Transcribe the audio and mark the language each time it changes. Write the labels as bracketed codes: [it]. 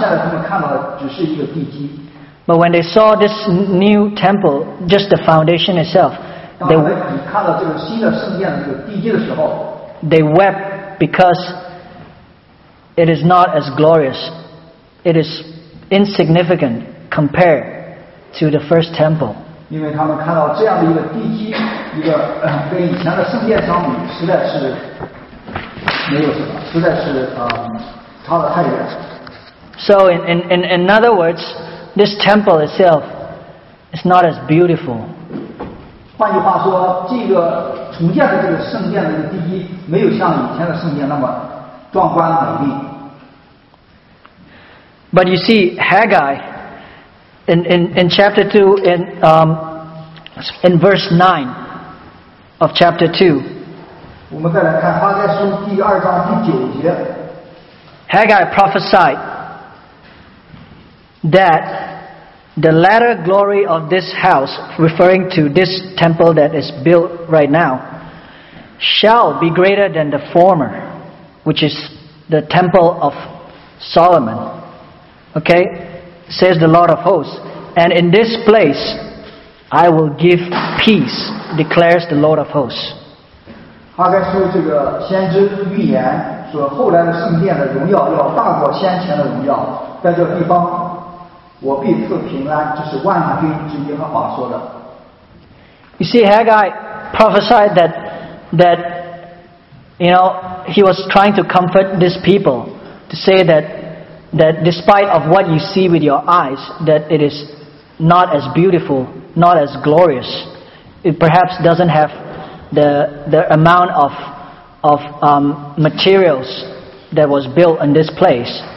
[en] But when they saw this new temple, just the foundation itself, they wept because it is not as glorious. It is insignificant compared to the first temple. [zh] 因为他们看到这样的一个地基，一个跟以前的圣殿相比，实在是没有什么，实在是差得太远。 [en] So in other words, this temple itself is not as beautiful. [zh] 换句话说，这个重建的这个圣殿的这个地基，没有像以前的圣殿那么壮观美丽。 [en] But you see, Haggai. In chapter 2, in verse 9 of chapter 2, [zh] 我们再来看哈该书第二章第九节 [en] Haggai prophesied that the latter glory of this house, referring to this temple that is built right now, shall be greater than the former, which is the temple of Solomon. Okay? Says the Lord of hosts. And in this place, I will give peace, declares the Lord of hosts. [zh] 哈该书这个先知预言说，后来的圣殿的荣耀要大过先前的荣耀，在这地方，我必赐平安，这是万军之耶和华说的。 [en] You see, Haggai prophesied that you know he was trying to comfort this people to say that despite of what you see with your eyes, that it is. Not as beautiful, not as glorious. It perhaps doesn't have the amount of materials that was built in this place.